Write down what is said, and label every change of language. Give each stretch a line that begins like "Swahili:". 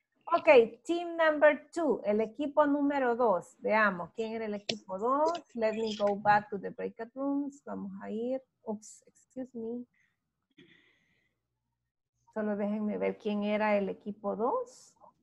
English: Ok, team number two,
Spanish: el equipo número dos. Veamos, ¿quién era el equipo dos?
English: Let me go back to the breakout rooms.
Spanish: Vamos a ir.
English: Oops, excuse me.
Spanish: Solo déjenme ver quién era el equipo dos.